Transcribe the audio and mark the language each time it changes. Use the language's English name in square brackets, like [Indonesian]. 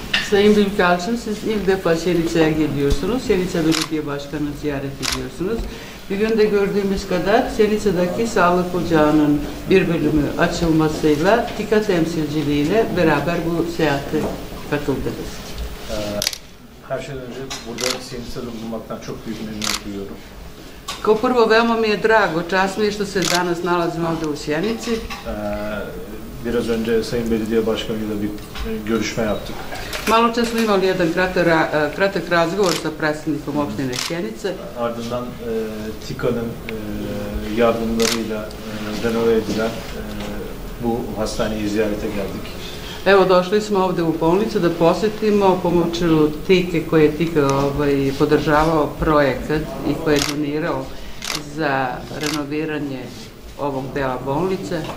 [Turkish] Sayın Bülkalçın, siz ilk defa Sjenice'ye geliyorsunuz, Sjenice Belediye Başkanı'nı ziyaret ediyorsunuz. Bugün de gördüğümüz kadar Sjenice'deki sağlık ocağının bir bölümü açılmasıyla TIKA temsilciliğiyle beraber bu seyahate katıldınız. Her şeyden önce burada Sjenice'de bulunmaktan çok büyük memnuniyet duyuyorum. [Bosnian] Kao prvo, veoma mi je drago, čast mi je što se danas nalazim ovde u Sjenici. [Turkish] Biraz önce Sayın Belediye Başkanı'yla bir görüşme yaptık. [Bosnian] Malo čas smo imali jedan kratak razgovor sa predsjednikom opštine Sjenice. [Turkish] Ardından TIKA'nın yardımlarıyla renove edilen bu hastaneyi ziyarete geldik. [Bosnian] Evo, došli smo ovde u bolnicu da posjetimo pomoću TIKE koje je TIKE podržavao projekat i koje je donirao za renoviranje ovog dela bolnice.